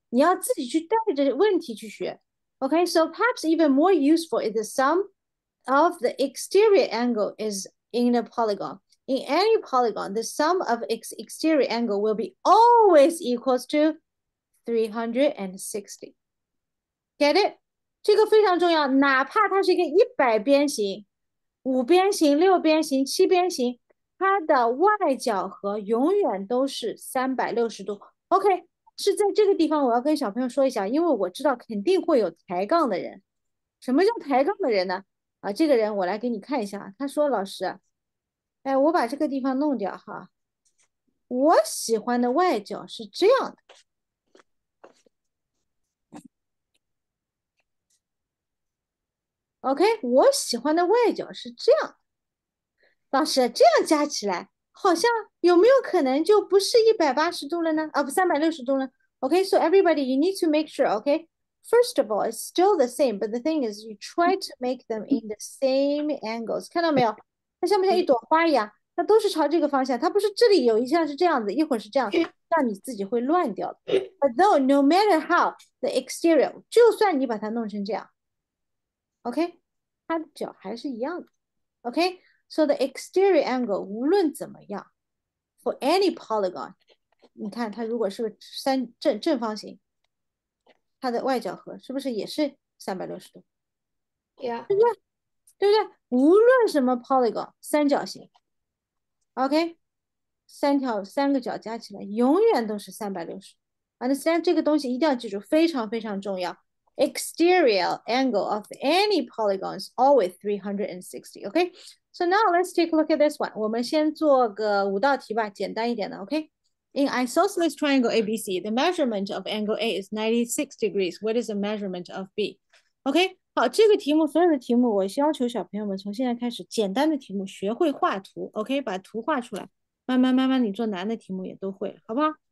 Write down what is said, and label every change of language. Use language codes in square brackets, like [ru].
[zh] 你要自己去带着问题去学。 [en] Okay, so perhaps even more useful is the sum of the exterior angle is in a polygon. In any polygon, the sum of its exterior angle will be always equals to 360. Get it?” [zh] 这个非常重要，哪怕它是一个100边形、5边形、6边形、7边形，它的外角和永远都是360度。 OK，是在这个地方我要跟小朋友说一下，因为我知道肯定会有抬杠的人。什么叫抬杠的人呢？啊，这个人我来给你看一下，他说老师，哎，我把这个地方弄掉哈，我喜欢的外角是这样的。 OK， 我喜欢的外角是这样。老师，这样加起来好像有没有可能就不是180度了呢？啊，不，360度了。 [en] OK， so everybody, you need to make sure. OK, first of all, it's still the same, but the thing is, you try to make them in the same angles. [zh] 看到没有？它像不像一朵花一样？它都是朝这个方向。它不是这里有一项是这样子，一会儿是这样子，那你自己会乱掉的。 [en] But though, no matter how the exterior, [zh] 就算你把它弄成这样。 OK， 它的角还是一样的。 OK， [en] so the exterior angle [zh] 无论怎么样 ， [en] for any polygon， [zh] 你看它如果是个正方形，它的外角和是不是也是360度 [en] ？Yeah， [zh] 对不对？无论什么 polygon， 三角形 ，OK， 三个角加起来永远都是360。 [en] Understand [zh] 这个东西一定要记住，非常非常重要。 [en] Exterior angle of any polygon is always 360. Okay, so now let's take a look at this one. [zh] 我们先做个五道题吧，简单一点的。 [en] Okay, in isosceles triangle ABC, the measurement of angle A is 96 degrees. What is the measurement of B? [zh] Okay, 好，这个题目所有的题目，我要求小朋友们从现在开始简单的题目学会画图。 Okay, 把图画出来，慢慢，你做难的题目也都会，好不好？